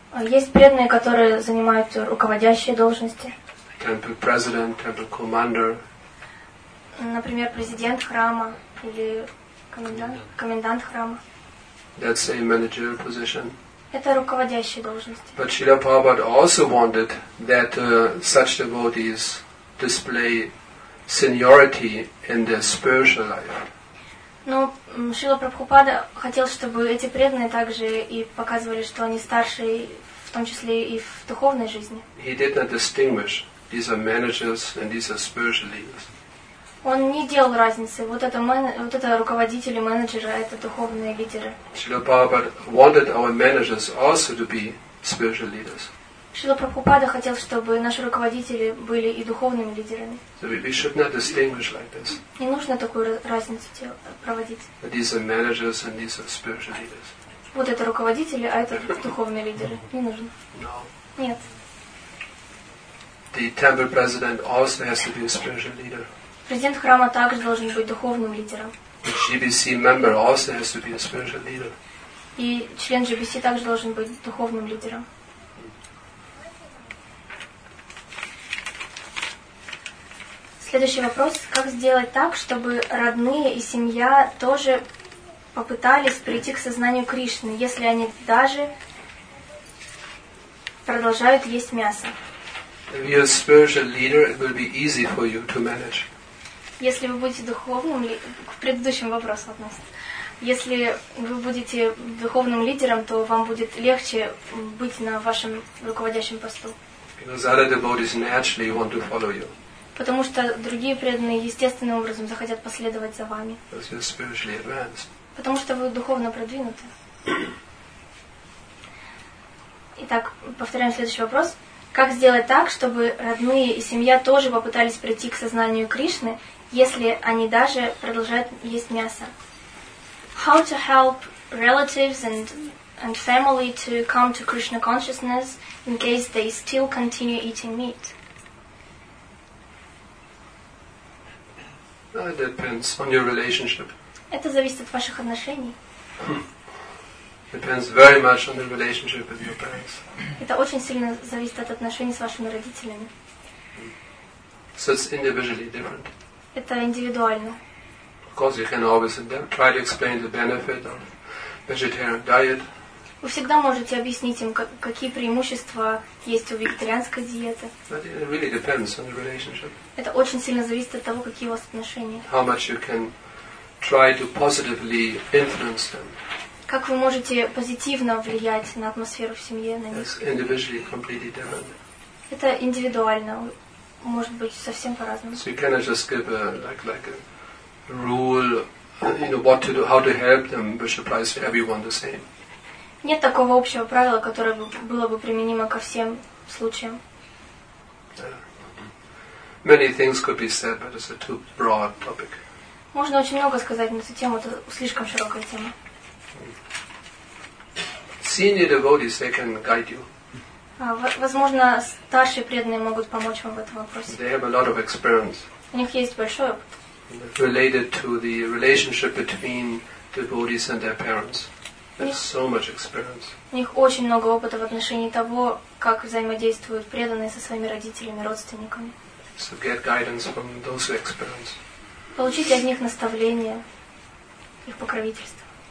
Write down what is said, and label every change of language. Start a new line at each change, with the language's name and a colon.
Russian: Есть преданные, которые занимают руководящие должности.
English: Temple president, temple commander.
Russian: Например, президент храма. или комендант храма.
English: That's a managerial position.
Russian: Это руководящая должность.
English: But Srila Prabhupada also wanted that such devotees display seniority in their spiritual life.
Russian: Но Шрила Прабхупада хотел, чтобы эти преданные также и показывали, что они старшие, в том числе и в духовной жизни.
English: He did not distinguish these are managers and these are spiritual leaders.
Russian: Он не делал разницы. Вот это руководители, менеджеры, это духовные лидеры.
English: Шрила Прабхупада wanted our managers also to be spiritual leaders.
Russian: Шрила Прабхупада хотел, чтобы наши руководители были и духовными лидерами.
English: So we should not distinguish like this.
Russian: Не нужно такую разницу проводить.
English: These are managers and these are spiritual leaders.
Russian: Вот это руководители, а это духовные лидеры. Не нужно.
English: No.
Russian: Нет.
English: The temple president also has to be a spiritual leader.
Russian: Президент храма также должен быть духовным лидером.
English: The GBC member also has to be a spiritual leader.
Russian: И член GBC также должен быть духовным лидером. Следующий вопрос. Как сделать так, чтобы родные и семья тоже попытались прийти к сознанию Кришны, если они даже продолжают есть мясо?
English: If you're a spiritual leader, it will be easy for you to manage.
Russian: Если вы будете духовным, к предыдущему вопросу относится. Если вы будете духовным лидером, то вам будет легче быть на вашем руководящем посту.
English: Because other devotees naturally want to follow you.
Russian: Потому что другие преданные естественным образом захотят последовать за вами.
English: Because you're spiritually advanced.
Russian: Потому что вы духовно продвинуты. Итак, повторяем следующий вопрос. Как сделать так, чтобы родные и семья тоже попытались прийти к сознанию Кришны, если они даже продолжают есть мясо?
English: How to help relatives and family to come to Krishna consciousness in case they still continue eating meat? It depends on your relationship.
Russian: Это зависит от ваших отношений.
English: Depends very much on the relationship with your parents.
Russian: Это очень сильно зависит от отношений с вашими родителями.
English: So it's individually different.
Russian: Это индивидуально.
English: Of course, you can always try to explain the benefit of vegetarian diet.
Russian: Вы всегда можете объяснить им, какие преимущества есть у вегетарианской диеты.
English: But it really depends on the relationship.
Russian: Это очень сильно зависит от того, какие у вас отношения.
English: How much you can try to positively influence them.
Russian: Как вы можете позитивно влиять на атмосферу в семье, на них?
English: It's individually completely different.
Russian: Это индивидуально. Может быть, совсем по-разному.
English: So you cannot just give a rule, you know, what to do, how to help them, which applies to everyone the same.
Russian: Нет такого общего правила, которое было бы применимо ко всем случаям.
English: Many things could be said, but it's a too broad topic.
Russian: Можно очень много сказать на эту тему, это слишком широкая тема.
English: Senior devotees, they can guide you.
Russian: Возможно, старшие преданные могут помочь вам в этом вопросе.
English: They have a lot of experience.
Russian: У них есть большой опыт.
English: Related to the relationship between devotees and their parents. So much experience.
Russian: У них очень много опыта в отношении того, как взаимодействуют преданные со своими родителями, родственниками.
English: So get guidance from those who experience.
Russian: Получите от них наставление, их покровительство.